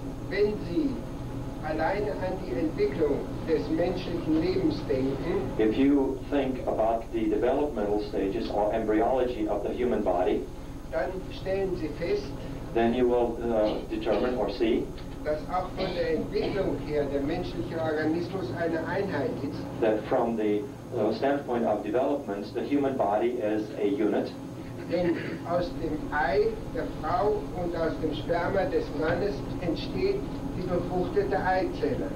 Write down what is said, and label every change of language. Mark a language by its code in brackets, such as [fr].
[de] Wenn Sie alleine an die Entwicklung des menschlichen Lebens denken, [en] if you think about the developmental stages or embryology of the human body, [de] dann stellen Sie fest, [en] then you will determine or see, [de] dass auch von der Entwicklung her der menschliche Organismus eine Einheit ist. [en] That from the standpoint of development, the human body is a unit. [de] Denn aus dem Ei der Frau und aus dem Sperma des Mannes entsteht die befruchtete Eizelle.